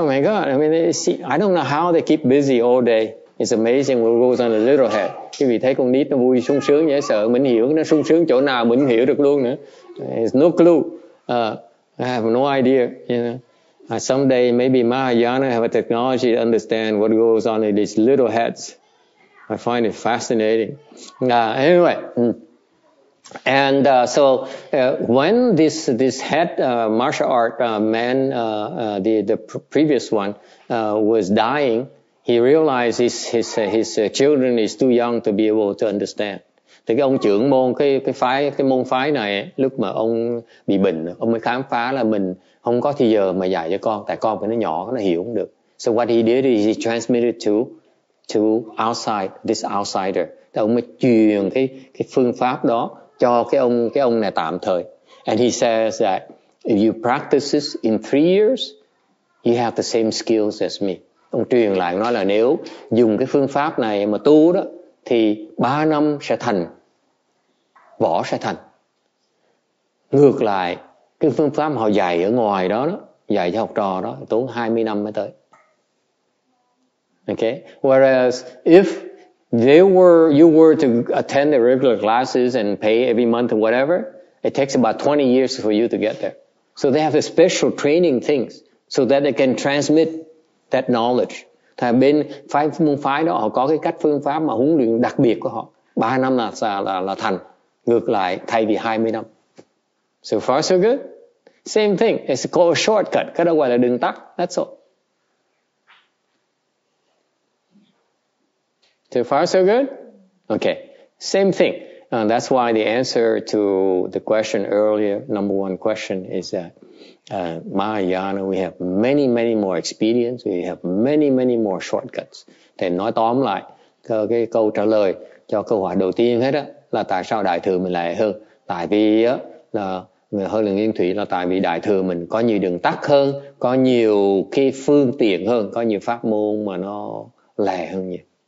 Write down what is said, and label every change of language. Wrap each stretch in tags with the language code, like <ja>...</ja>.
<en>Oh my god. I mean, I don't know how they keep busy all day. It's amazing what goes on a little head.</en> <vi>Quý vị thấy con nít nó vui sung sướng dễ sợ, mình hiểu nó sung sướng chỗ nào mình hiểu được luôn nữa.</vi> <en>It's no clue. I have no idea. You know, someday maybe Mahayana have a technology to understand what goes on in these little heads. I find it fascinating. Anyway. And when this head martial art man, the previous one, was dying, he realized his children is too young to be able to understand.</en> <vi>Thì cái ông trưởng môn cái môn phái này lúc mà ông bị bệnh, ông mới khám phá là mình không có thời giờ mà dạy cho con, tại con của nó nhỏ nó hiểu không được.</vi> <en>So what he did is he transmitted to outside this outsider.</en> <vi>Thì ông mới truyền cái phương pháp đó cho cái ông này tạm thời.</vi> <en>And he says that if you practice this in 3 years, you have the same skills as me.</en> <vi>Ông truyền lại nói là nếu dùng cái phương pháp này mà tu đó thì 3 năm sẽ thành võ sẽ thành. Ngược lại cái phương pháp họ dạy ở ngoài đó, dạy cho học trò đó tốn 20 năm mới tới.</vi> <en>Okay, whereas if you were to attend the regular classes and pay every month or whatever, it takes about 20 years for you to get there. So they have a special training things so that they can transmit that knowledge.</en> <vi>Thì bên phái môn phái đó họ có cái cách phương pháp mà huấn luyện đặc biệt của họ, 3 năm là thành, ngược lại thay vì 20 năm.</vi> <en>So far so good. Same thing, it's called a shortcut.</en> <vi>Cái đó gọi là đường tắt.</vi> <en>That's all. So far so good. Okay. Same thing. And that's why the answer to the question earlier, number one question, is that Mahayana, we have many, many more experience. We have many, many more shortcuts.</en> <vi>Thì nói tóm lại, cái câu trả lời cho câu hỏi đầu tiên hết á, là tại sao Đại Thừa mình lại hơn? Tại vì á, là người hơn là Nguyên Thủy, là tại vì Đại Thừa mình có nhiều đường tắt hơn, có nhiều cái phương tiện hơn, có nhiều pháp môn mà nó lẹ hơn nhiều.</vi>